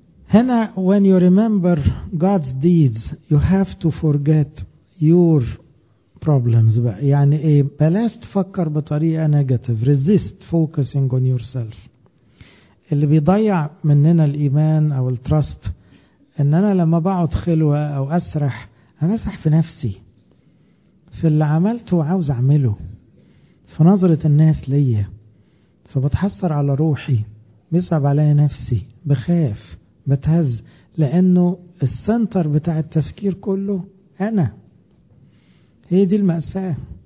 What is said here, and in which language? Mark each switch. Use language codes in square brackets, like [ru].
[en] هنا when you remember God's deeds you have to forget your [ar] problems بقى. يعني ايه؟ بلاش تفكر بطريقة negative. [en] resist focusing on yourself. [ar] اللي بيضيع مننا الإيمان أو التراست إن أنا لما بقعد خلوة أو أسرح أمسح في نفسي في اللي عملته وعاوز أعمله في نظرة الناس ليا، فبتحسر على روحي، بيصعب علي نفسي، بخاف، بتهز، لأنه السنتر بتاع التفكير كله أنا. هي دي المأساة.